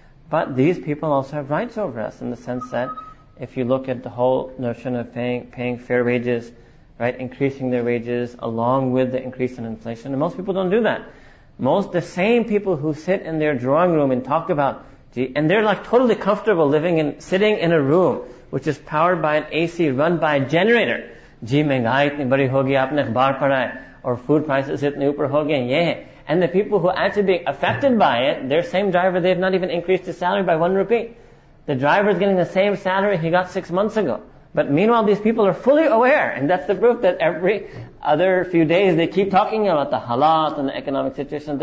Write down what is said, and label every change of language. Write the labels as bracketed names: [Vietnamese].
[English] But these people also have rights over us in the sense that if you look at the whole notion of paying fair wages, right, increasing their wages along with the increase in inflation, and most people don't do that. Most, the same people who sit in their drawing room and talk about, and they're like totally comfortable living in, sitting in a room which is powered by an AC run by a generator. [Urdu] جی مہنگائی اتنی بڑی ہو گئی، آپ نے اخبار پڑھا ہے، [English] or food prices [Urdu] اتنے اوپر ہو گئے، یہ ہے۔ [English] And the people who are actually being affected by it, their same driver, they have not even increased his salary by 1 rupee. The driver is getting the same salary he got 6 months ago. But meanwhile, these people are fully aware, and that's the proof that every other few days they keep talking about the halat and the economic situation.